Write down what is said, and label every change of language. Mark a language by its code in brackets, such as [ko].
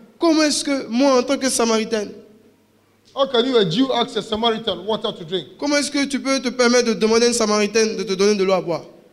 [fr] comment est-ce que moi, en tant que Samaritaine, [en] How can you, a Jew, ask a Samaritan water to drink? [fr] Comment est-ce que tu peux te permettre de demander à un Samaritain de te donner de l'eau à boire?